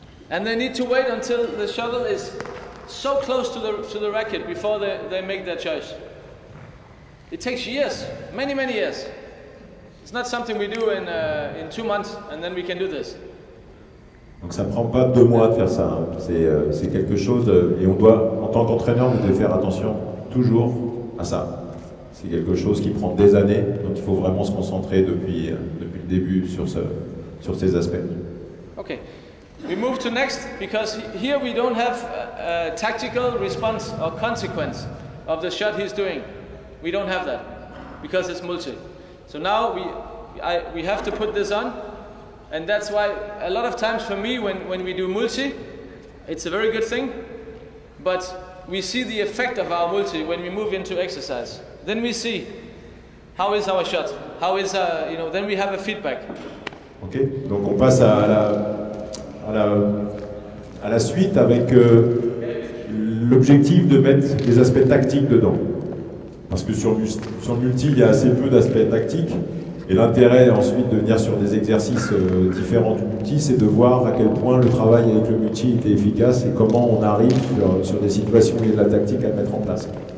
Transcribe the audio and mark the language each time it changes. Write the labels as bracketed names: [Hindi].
[English] They need to wait until the shuttle is so close to the racket before they make their choice. It takes years, many, many years. It's not something we do in 2 months and then we can do this. [French] Donc ça prend pas 2 mois de faire ça. Hein. C'est quelque chose et on doit, en tant qu'entraîneur, vous devez faire attention toujours à ça. C'est quelque chose qui prend des années, donc il faut vraiment se concentrer depuis le début sur ces aspects. [English] Okay. We move to next because here we don't have a tactical response or consequence of the shot he's doing. We don't have that because it's multi. So now we have to put this on, and that's why a lot of times for me when we do multi, it's a very good thing, but we see the effect of our multi when we move into exercise. Then we see how is our shot, how is then we have a feedback. [French] Okay, donc on passe à la à la suite avec l'objectif de mettre des aspects tactiques dedans. Parce que sur le multi, il y a assez peu d'aspects tactiques. Et l'intérêt ensuite de venir sur des exercices différents du multi, c'est de voir à quel point le travail avec le multi était efficace et comment on arrive sur des situations où il y a de la tactique à mettre en place.